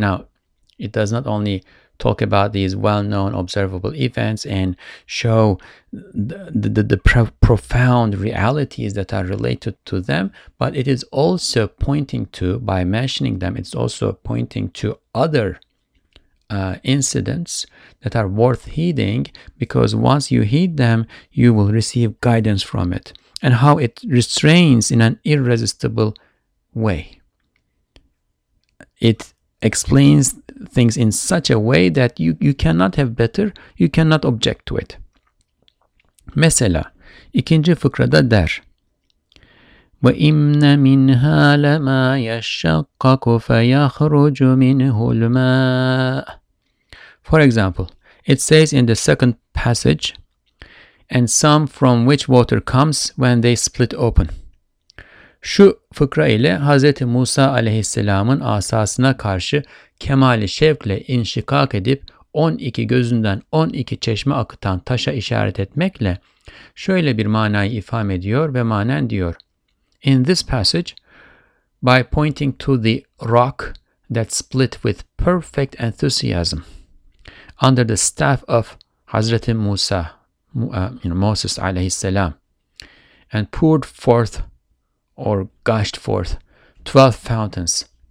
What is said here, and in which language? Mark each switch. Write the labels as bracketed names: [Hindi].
[English] Now, it does not only talk about these well-known observable events and show the profound realities that are related to them, but it is also pointing to, by mentioning them, it's also pointing to other incidents that are worth heeding, because once you heed them, you will receive guidance from it. And how it restrains in an irresistible way. It explains things in such a way that you cannot have better, you cannot object to it. [Turkish] Mesela, ikinci fıkrada der. [Arabic] وَإِنَّ مِنْهَا لَمَا يَشَّقَّقُ فَيَخْرُجُ مِنْهُ الْمَاءُ. [English] For example, it says in the second passage, and some from which water comes when they split open. [Turkish] Şu fıkra ile Hazreti Musa aleyhisselamın asasına karşı kemali şevkle inşikak edip 12 gözünden 12 çeşme akıtan taşa işaret etmekle şöyle bir manayı ifade ediyor ve manen diyor. [English] In this passage, by pointing to the rock that split with perfect enthusiasm under the staff of Hazreti Musa, Moses aleyhisselam, and poured forth or gushed forth 12 fountains.